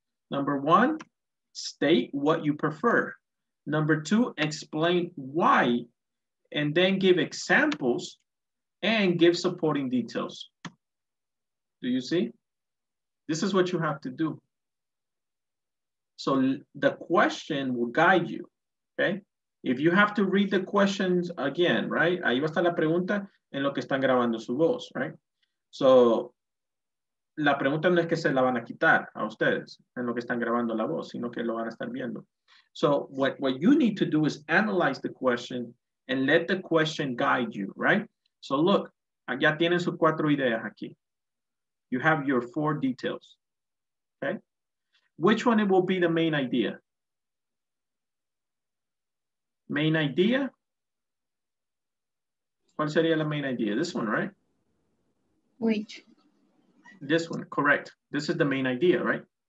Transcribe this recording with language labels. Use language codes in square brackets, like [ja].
[en] Number one, state what you prefer. Number two, explain why, and then give examples and give supporting details. Do you see? This is what you have to do. So the question will guide you, okay? If you have to read the questions again, right? [es] Ahí va a estar la pregunta en lo que están grabando su voz, right? So la pregunta no es que se la van a quitar a ustedes en lo que están grabando la voz, sino que lo van a estar viendo. [en] So what you need to do is analyze the question and let the question guide you, right? So look, [es] ya tienen sus cuatro ideas aquí. [en] You have your four details, okay? Which one it will be the main idea? Main idea? [es] ¿Cuál sería la [en] main idea? This one, right? Which? This one, correct. This is the main idea, right?